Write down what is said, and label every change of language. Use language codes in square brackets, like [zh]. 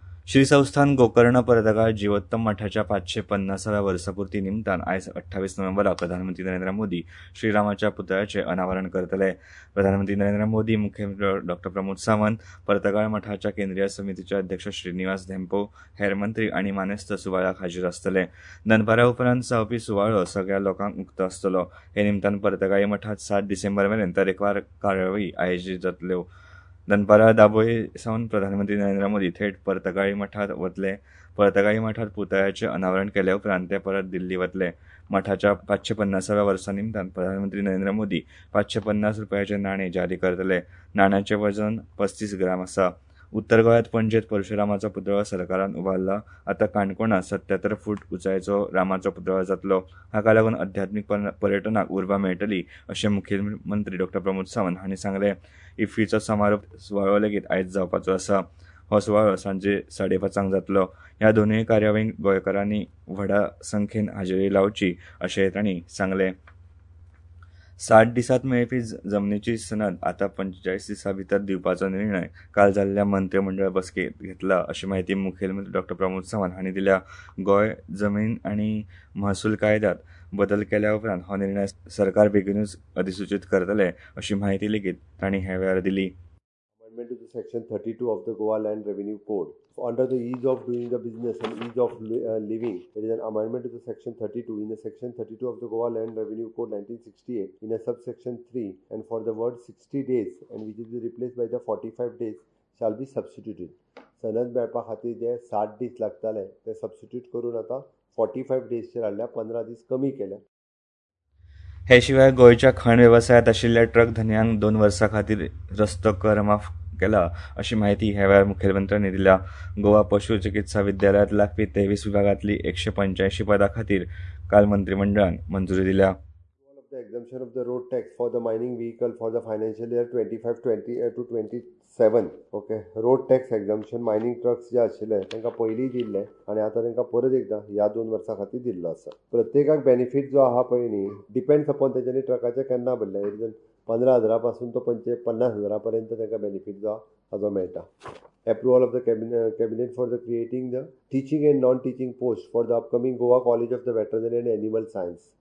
[kok] श्री संस्थान गोकर्ण पर्यटका जिवोत्तम मठाच्या 550 वर्सापुर्ती निमतान आयज 28 नोव्हेंबराक प्रधानमंत्री नरेंद्र मोदी श्रीरामाच्या पुतळ्याचे अनावरण करतले. प्रधानमंत्री नरेंद्र मोदी, मुख्यमंत्री डॉ प्रमोद सावंत, पर्यटका मठाच्या केंद्रीय समितीचे अध्यक्ष श्रीनिवास धेंपो, हेर मंत्री आणि मानेस्त सुवाळ्याक हाजीर असतले. दनपारा उपरांत जावपी सुवाळो सगळ्या लोकांक मुक्त असतलो. हे निमतान पर्यटका मठात 7 डिसेंबर मेरेन तरेकवार कार्यावळी आयोजित जातल्यो. दनपारा दाबोळे सावन प्रधानमंत्री नरेंद्र मोदी थेट पर्तगाळी मठात वतले. पर्तगाळी मठात पुतळ्याचे अनावरण केल्या उपरांत ते परत दिल्ली वतले. मठाच्या 550 वर्सा निमतान प्रधानमंत्री नरेंद्र मोदी 550 रुपयाचे नाणे जारी करतले. नाण्याचे वजन 35 ग्राम आसा. उत्तर गोयात पणजेत परशुरामाचो पुतळो सरकारान उभारला. आतां काणकोणांत 77 फूट उंचायेचो रामाचो पुतळो जातलो. हाका लागून अध्यात्मीक पर्यटनाक उर्बा मेळटली अशें मुखेलमंत्री डॉ प्रमोद सावंत हांणी सांगले. इफ्फीचो समारोप सुवाळो लेगीत आयज जावपाचो आसा. हो सुवाळो सांजे 5:30 जातलो. ह्या दोनूय कार्यावळींक गोंयकारांनी व्हडा संख्येन हाजेरी लावची अशेंय तांणी सांगले. 60 दिसांत मेळपी जमनीची सनद आतां 45 दिसां भितर दिवपाचो निर्णय काल जाल्ल्या मंत्रिमंडळ बसकेंत घेतला अशी माहिती मुखेलमंत्री डॉ प्रमोद सावंत हांणी दिल्या. गोंय जमीन आनी महसूल कायद्यांत बदल केल्या उपरांत हो निर्णय सरकार बेगीनूच अधिसुचीत करतले अशी माहिती लेगीत तांणी ह्या वेळार दिली. [en] Amendment to Section 32 of the Goa Land Revenue Code. Under the ease of doing the business and ease of living, there is an amendment to the Section 32. In the Section 32 of the Goa Land Revenue Code 1968, in a subsection 3, and for the word 60 days, and which is replaced by the 45 days, shall be substituted. [kok] Sanad mepa khatir je 60 days lagtale, te substitute karun ata 45 days che ralya 15 days kami kele. हे शिवाय गोंयच्या खण वेवसायात आशिल्ल्या ट्रक धन्यांक 2 वर्सां खातीर रस्तो कर माफ केला अशी माहिती ह्या वेळार मुखेलमंत्र्यांनी दिल्या. गोवा पशु चिकित्सा विद्यालयात लागपी 23 विभागातली 185 पदां खातीर काल मंत्रिमंडळान मंजुरी दिल्या. [en] Exemption of the road tax for the mining vehicle for the financial year 25-27. [kok] Okay, road tax एक्झम्पशन मायनिंग ट्रक्स जे आशिल्ले तांकां पयलीं दिल्ले आनी आतां तांकां परत एकदां ह्या 2 वर्सां खातीर दिल्लो आसा. प्रत्येकाक बेनिफीट जो आसा पळय न्ही, डिपेंड्स अपॉन तेच्यानी ट्रकाचे केन्ना भरले. [en] it is [kok] 15,000 पासून तो 50,000 पर्यंत तांकां बेनिफीट जो हाजो मेळटा. [en] Approval of the cabinet for the creating the teaching and non-teaching post for the upcoming Goa College of the Veterinary and Animal Science.